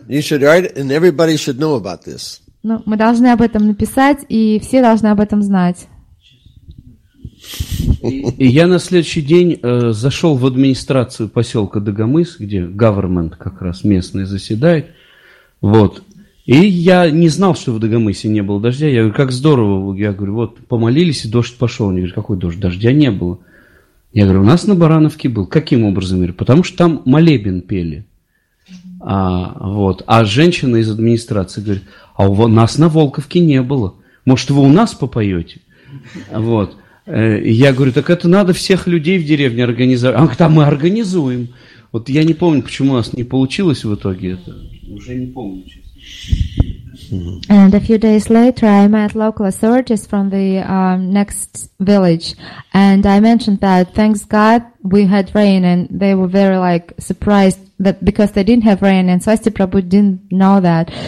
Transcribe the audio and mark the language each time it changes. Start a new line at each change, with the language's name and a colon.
English: You should write, and everybody should know about this.
Russian: Ну, мы должны об этом написать, и все должны об этом знать. И я на следующий день зашел в администрацию поселка Дагомыс, где government как раз местный заседает. Вот. И я не знал, что в Дагомысе не было дождя. Я говорю, как здорово. Я говорю, вот помолились, и дождь пошел. Они говорят, какой дождь? Дождя не было. Я говорю, у нас на Барановке был. Каким образом? Потому что там молебен пели. А, вот. А женщина из администрации говорит, а у нас на Волковке не было. Может, вы у нас попоете? Вот. Я говорю, так это надо всех людей в деревне организовать. Она говорит, а мы организуем. Вот я не помню, почему у нас не получилось в итоге это. Уже не помню, честно.
English: And a few days later, I met local authorities from the next village, and I mentioned that thanks God we had rain, and they were very like surprised that because they didn't have rain, and Swasti Prabhu didn't know that.